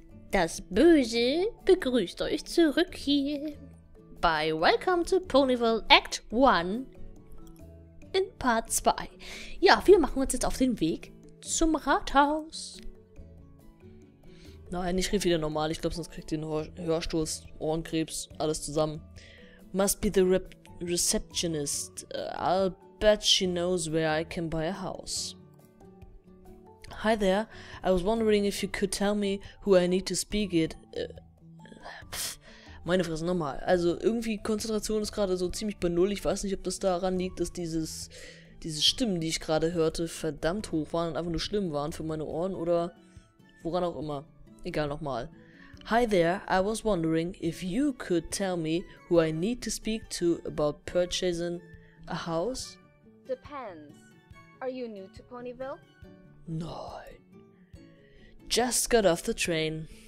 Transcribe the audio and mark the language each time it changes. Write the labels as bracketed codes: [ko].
[de] Das Böse begrüßt euch zurück hier bei Welcome to Ponyville Act 1 in Part 2. Ja, wir machen uns jetzt auf den Weg zum Rathaus. Nein, ich rede wieder normal. Ich glaube, sonst kriegt ihr einen Hörstoß, Ohrenkrebs, alles zusammen. [en] Must be the receptionist. I'll bet she knows where I can buy a house. Hi there. I was wondering if you could tell me who I need to speak it. [de] Meine Fresse, nochmal. Also irgendwie Konzentration ist gerade so ziemlich bei Null. Ich weiß nicht, ob das daran liegt, dass diese Stimmen, die ich gerade hörte, verdammt hoch waren und einfach nur schlimm waren für meine Ohren oder woran auch immer. Egal, nochmal. [en] Hi there, I was wondering if you could tell me who I need to speak to about purchasing a house? Depends. Are you new to Ponyville? Nein. Just got off the train.